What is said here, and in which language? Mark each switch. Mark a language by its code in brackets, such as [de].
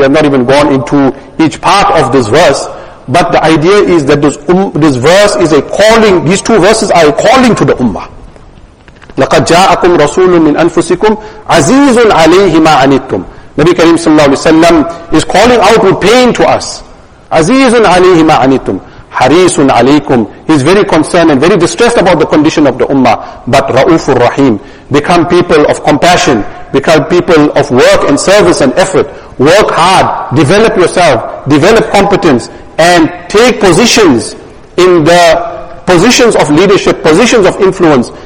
[en] We have not even gone into each part of this verse, but the idea is that this verse is a calling, these two verses are a calling to the ummah. [ar] لَقَدْ جَاءَكُمْ رَسُولٌ مِّنْ أَنفُسِكُمْ عَزِيزٌ عَلَيْهِ مَا عَنِتُّمْ. [en] Nabi Kareem sallallahu alayhi wa sallam is calling out with pain to us. [ar] عَزِيزٌ عَلَيْهِ مَا عَنِتُّمْ Harisun alaykum. [en] He is very concerned and very distressed about the condition of the ummah. But Raufur Rahim, become people of compassion, become people of work and service and effort. Work hard, develop yourself, develop competence, and take positions in the positions of leadership, positions of influence.